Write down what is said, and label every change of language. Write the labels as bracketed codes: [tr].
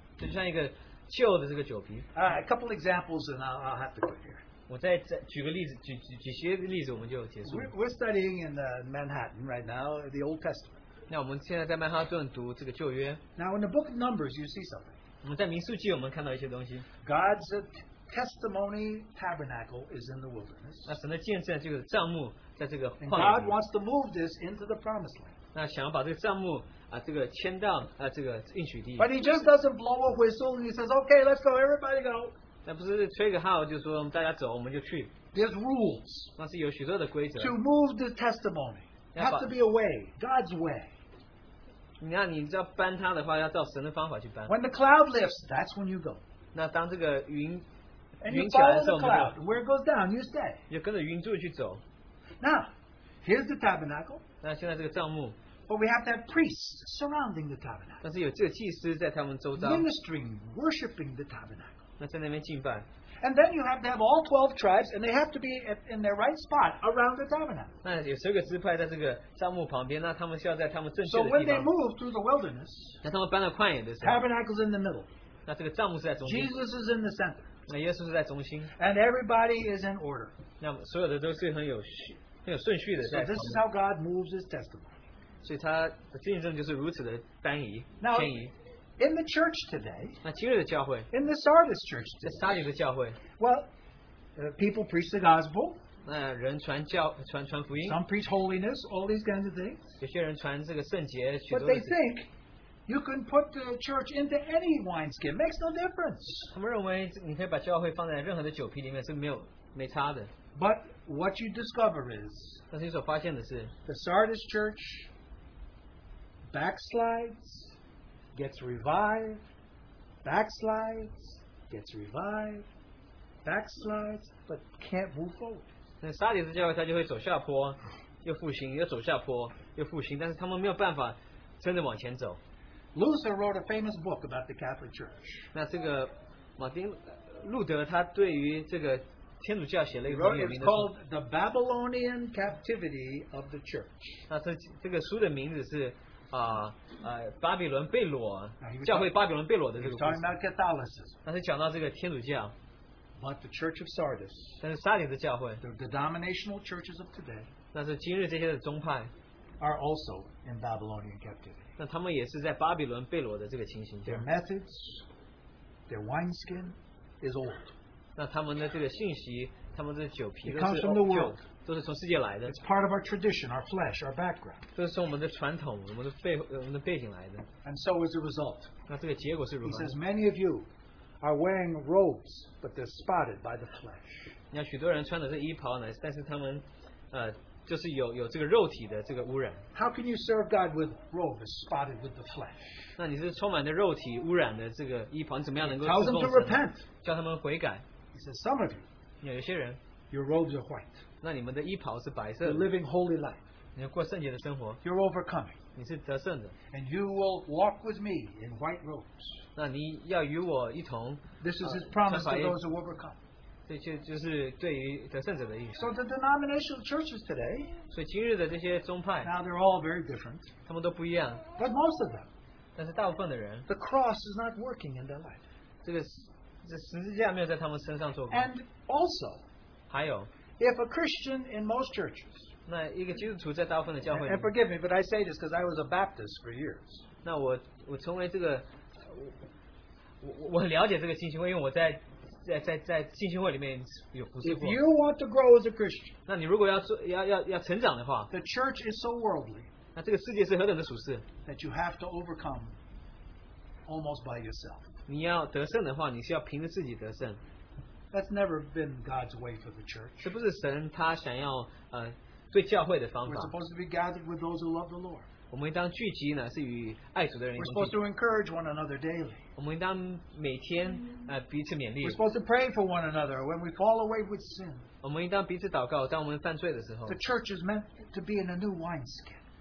[zh] 就像一个旧的这个酒瓶。 [en] A couple examples and I'll have to go here. [zh] 我再举个例子，举些例子，我们就结束。 [en] We're studying in the Manhattan right now, the Old Testament. [zh] 那我们现在在曼哈顿读这个旧约。 [en] Now in the book of Numbers, you see something. [zh] 我们在民数记我们看到一些东西。 [en] God's testimony tabernacle is in the wilderness. [zh] 那神的见证就是帐幕在这个旷野。 [en] And God wants to move this into the promised land. [zh] 那想要把这个帐幕这个迁到这个应许地。 [en] But he just doesn't blow a whistle and he says, "Okay, let's go, everybody go." [zh] 那不是吹个号就说大家走，我们就去。 [en] There's rules. [zh] 那是有许多的规则。 [en] To move the testimony, have to be a way, God's way. [zh] 那你要搬它的话，要照神的方法去搬。 [en] When the cloud lifts, that's when you go. [zh] 那当这个云 [en] And you follow the cloud. Where it goes down, you stay. [zh] 也跟着云柱去走。 [en] Now, here's the tabernacle. [zh] 那现在这个帐幕。 [en] But we have to have priests surrounding the tabernacle. [zh] 但是有这个祭司在他们周遭。 [en] Ministering, worshiping the tabernacle. [zh] 那在那边敬拜。 [en] And then you have to have all 12 tribes, and they have to be in their right spot around the tabernacle. [zh] 那有十个支派在这个帐幕旁边，那他们需要在他们正确的地方。 [en] So when they move through the wilderness, [zh] 那他们搬到旷野的时候。 [en] Tabernacle's in the middle. [zh] 那这个帐幕是在中间。 [en] Jesus is in the center. [zh] 那耶稣是在中心。 [en] And everybody is in order. [zh] 那所有的都是很有顺序的。 [en] So this is how God moves His testimony. [zh] 所以他的见证就是如此的单一。 [en] Now, in the church today, [zh] 那今日的教会。 [en] In the Sardis church today, [zh] 在沙里的教会。 [en] Well, people preach the gospel. [zh] 那人传福音。 [en] Some preach holiness, all these kinds of things. [zh] 有些人传这个圣洁。 [en] But they think. You can put the church into any wineskin. Makes no difference. [zh] 他们认为你可以把教会放在任何的酒瓶里面是没差的。 [en] But what you discover is, [zh] 但是你所发现的是, [en] the Sardis church backslides, gets revived, backslides, gets revived, backslides, but can't move forward. [zh] 那撒底的教会他就会走下坡，又复兴，又走下坡，又复兴，但是他们没有办法真的往前走。 [en] Luther wrote a famous book about the Catholic Church. [zh] 那这个马丁路德他对于这个天主教写了一本有名的书。 [en] It's called The Babylonian Captivity of the Church. [zh] 那这个书的名字是巴比伦被掳教会巴比伦被掳的这个故事。 [en] He's talking about Catholicism. [zh] 那是讲到这个天主教。 [en] But the Church of Sardis. [zh] 但是撒里的教会。 [en] The denominational churches of today. [zh] 那是今日这些的宗派。 [en] Are also in Babylonian captivity. [zh] 那他们也是在巴比伦被掳的这个情形。 [en] Their methods, their wineskin is old. [zh] 那他们的这个信息，他们的酒瓶都是 [en] It comes from the world. [zh] 都是从世界来的。 [en] It's part of our tradition, our flesh, our background. [zh] 都是从我们的传统，我们的背景来的。 [en] And so is the result. [zh] 那这个结果是如何？ [en] He says many of you are wearing robes, but they're spotted by the flesh. [zh] 那许多人穿的是衣袍呢，但是他们，就是有这个肉体的这个污染。 [en] How can you serve God with robes spotted with the flesh? [zh] 那你是充满着肉体污染的这个衣袍，怎么样能够侍奉神？ [en] Tell them to repent. [zh] 叫他们悔改。 [en] He says some of you. [zh] 有些人。 [en] Your robes are white. [zh] 那你们的衣袍是白色的。 [en] You're living holy life. [zh] 你要过圣洁的生活。 [en] You're overcoming. [zh] 你是得胜的。 [en] And you will walk with me in white robes. [zh] 那你要与我一同。 [en] This is his promise to those who overcome. [zh] 就是对于得胜者的意思。 [en] So the denominational churches today, [zh] 所以今日的这些宗派， [en] now they're all very different. [zh] 他们都不一样。 [en] But most of them, [zh] 但是大部分的人， [en] the cross is not working in their life. [zh] 这十字架没有在他们身上做工。 [en] And also, [zh] 还有， [en] if a Christian in most churches, [zh] 那一个基督徒在大部分的教会里面， [en] and forgive me, but I say this because I was a Baptist for years. [zh] 那我成为这个，我很了解这个信息，因为我在。在信心会里面有服侍过。 [en] If you want to grow as a Christian, [zh] 那你如果要成长的话， [en] the church is so worldly, [zh] 那这个世界是何等的属世， [en] that you have to overcome almost by yourself. [zh] 你要得胜的话，你是要凭着自己得胜。 [en] That's never been God's way for the church. [zh] 这不是神他想要对教会的方法。 [en] We're supposed to be gathered with those who love the Lord. We're supposed to encourage one another daily. We're supposed to pray for one another when we fall away with sin. The church is meant to be in a new wineskin.